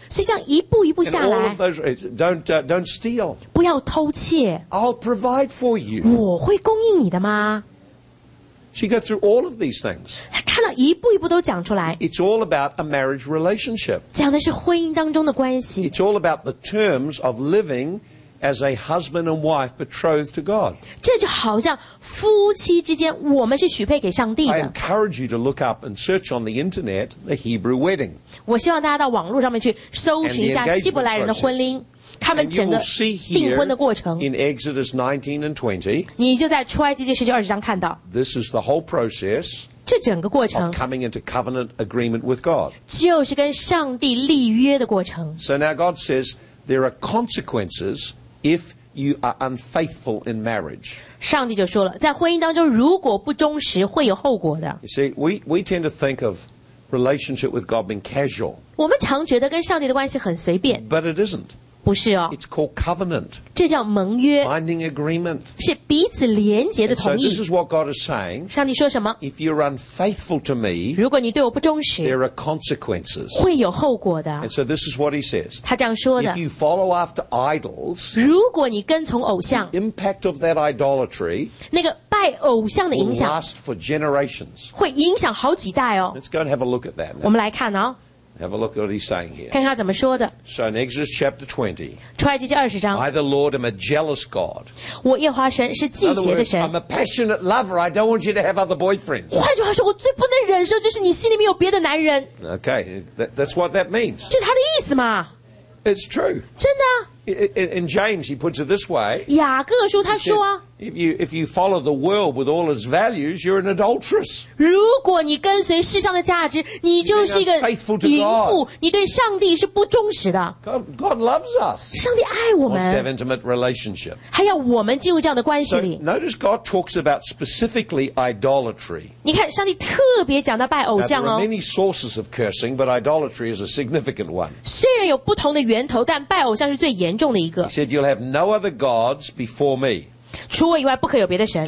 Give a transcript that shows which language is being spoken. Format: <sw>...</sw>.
<zh>所以这样一步一步下来,</zh> <en>all of those, don't steal.</en> <zh>不要偷窃,</zh> <en>I'll provide for you.</en> <zh>我会供应你的吗?</zh> <en>She goes through all of these things.</en> <zh>看到一步一步都讲出来,</zh> <en>it's all about a marriage relationship.</en> <zh>讲的是婚姻当中的关系,</zh> <en>it's all about the terms of living as a husband and wife betrothed to God.</en> <zh>这就好像夫妻之间,</zh> <en>I encourage you to look up and search on the internet the Hebrew wedding.</en> <zh>我希望大家到网络上面去搜寻一下希伯来人的婚礼。</zh> <en>And you will see here in Exodus 19 and 20,</en> <zh>你就在出埃及记十九二十章看到,</zh> <en>this is the whole process</en> <zh>这整个过程,</zh> <en>of coming into covenant agreement with God.</en> <zh>就是跟上帝立约的过程。</zh> <en>So now God says there are consequences if you are unfaithful in marriage.</en> <zh>上帝就说了, 在婚姻当中, 如果不忠实, 会有后果的。</zh> <en>You see, we tend to think of relationship with God being casual.</en> <zh>我们常觉得跟上帝的关系很随便,</zh> <en>but it isn't.</en> <zh>不是哦,</zh> <en>it's called covenant.</en> <zh>这叫盟约,</zh> <en>binding agreement.</en> <zh>是彼此连结的同意。</zh> <en>So this is what God is saying.</en> <zh>上帝说什么?</zh> <en>If you're unfaithful to me,</en> <zh>如果你对我不忠实,</zh> <en>there are consequences.</en> <zh>会有后果的。</zh> <en>And so this is what he says.</en> <zh>他这样说的,</zh> <en>if you follow after idols,</en> <zh>如果你跟从偶像,</zh> <en>the impact of that idolatry,</en> <zh>那个拜偶像的影响,</zh> <en>will last for generations.</en> <zh>会影响好几代哦。</zh> <en>Let's go and have a look at that now.</en> <zh>我们来看哦。</zh> <en>Have a look at what he's saying here.</en> <zh>看看他怎么说的。</zh> <en>So in Exodus chapter 20,</en> <zh>出埃及记20章,</zh> <en>I the Lord am a jealous God.</en> <zh>我耶和华神是忌邪的神。</zh> <en>In other words, I'm a passionate lover. I don't want you to have other boyfriends.</en> <zh>换句话说,我最不能忍受就是你心里面有别的男人。</zh> <en>Okay, that's what that means.</en> <zh>就是他的意思嘛。</zh> <en>It's true.</en> <zh>真的。</zh> <en>In James, he puts it this way.</en> <zh>雅各书他说,</zh> <en>if you follow the world with all its values, you're an adulteress.</en> <zh>如果你跟随世上的价值, 你就是一个淫妇,</zh> <en>God loves us.</en> <zh>上帝爱我们,</zh> <en>wants to have intimate relationship.</en> <zh>还要我们进入这样的关系里。</zh> <en>So notice God talks about specifically idolatry.</en> <zh>你看上帝特别讲到拜偶像哦。</zh> <en>Now, there are many sources of cursing, but idolatry is a significant one.</en> <zh>虽然有不同的源头, 但拜偶像是最严重的。</zh> <en>He said, you'll have no other gods before me.</en> <zh>除我以外不可有别的神。</zh>